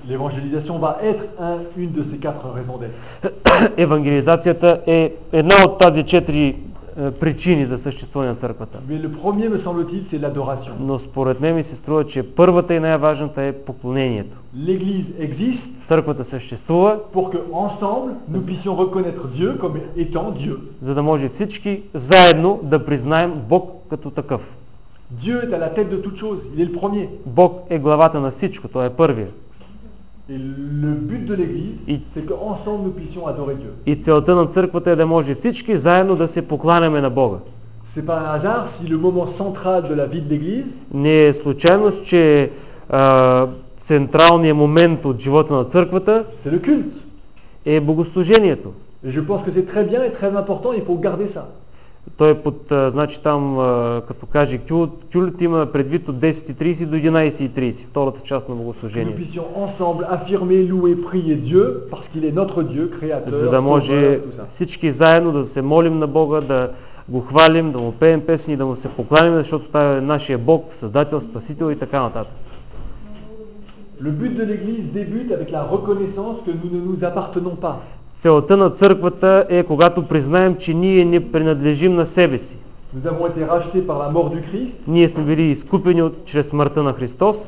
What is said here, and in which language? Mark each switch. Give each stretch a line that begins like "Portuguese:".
French: L'évangélisation va être une de ces quatre raisons d'être.
Bulgarian: Евангелизацията е една от тези четири причини за съществуване на църквата.
French: Mais le premier, me semble-t-il, c'est l'adoration.
Bulgarian: Но според мен ми се струва, че първата и най-важната е поклонението.
French: L'église existe.
Bulgarian: Църквата съществува.
French: Pour que ensemble nous puissions reconnaître Dieu comme étant Dieu.
Bulgarian: За да може всички заедно да признаем Бог като такъв.
French: Dieu est à la tête de toute chose, il est le premier.
Bulgarian: Бог е главата на всичко, той е първият.
French: Et le but de l'église, c'est que ensemble nous puissions adorer Dieu.
Bulgarian: И целта на църквата е да може всички заедно да се покланяме на Бога.
French: C'est pas un hasard si le moment central de la vie de l'église,
Bulgarian: не е случайност, че централният момент от живота на църквата,
French: c'est le culte.
Bulgarian: Е богослужението.
French: Et je pense que c'est très bien et très important, il faut garder ça.
Bulgarian: Той под, значи там, като каже кюлт, има предвид от 10:30 до 11:30, втората част на богослужението. За да може всички заедно да се молим на Бога, да го хвалим, да му пеем песни, да му се покланим, защото това е нашия Бог, Създател, Спасител и така нататък.
French: Le but de l'église débute avec la reconnaissance que nous ne nous appartenons pas.
Bulgarian: Целта на църквата е когато признаем, че ние не принадлежим на себе си.
French: Nous avons été rachetés par la mort du Christ.
Bulgarian: Ние сме били изкупени чрез смъртта на Христос.